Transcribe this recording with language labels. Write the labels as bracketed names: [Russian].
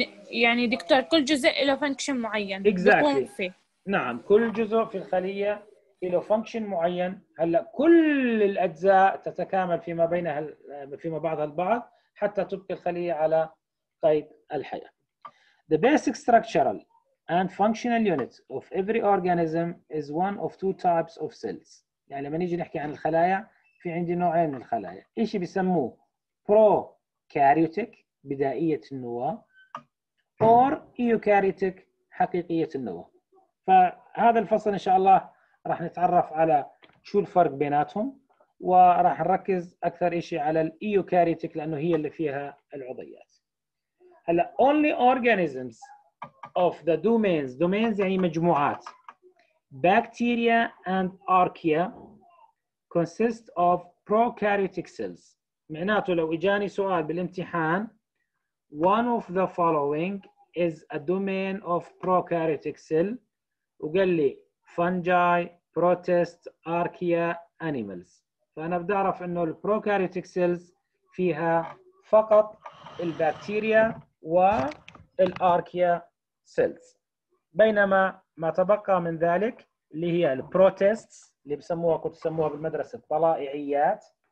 [Arabic] يعني دكتور كل جزء له فانكشن معين. [English] Exactly. [Arabic] نعم، كل جزء في الخليه له فانكشن معين. هلا كل الاجزاء تتكامل فيما بينها فيما بعضها البعض حتى تبقي الخليه على قيد الحياه. [English] The basic structural and functional unit of every organism is one of two types of cells. [Arabic] يعني لما نيجي نحكي عن الخلايا، في عندي نوعين من الخلايا، إشي بيسموه prokaryotic بدائية النواة، or eukaryotic حقيقية النواة. فهذا الفصل إن شاء الله راح نتعرف على شو الفرق بيناتهم، وراح نركز أكثر إشي على eukaryotic لأنه هي اللي فيها العضيات. [English] هلا only organisms of the domains، domains [Arabic] يعني مجموعات، [English] bacteria and archaea consist of prokaryotic cells. [Arabic] معناته لو اجاني سؤال بالامتحان [English] one of the following is a domain of prokaryotic cell [Arabic] وقال لي fungi, protist, archaea, animals، فانا بدي اعرف انه البروكاريوتيك سيلز فيها فقط البكتيريا والاركيا سيلز، بينما ما تبقى من ذلك اللي هي البروتيستس اللي بسموها كنت تسموها بالمدرسه الطلائعيات،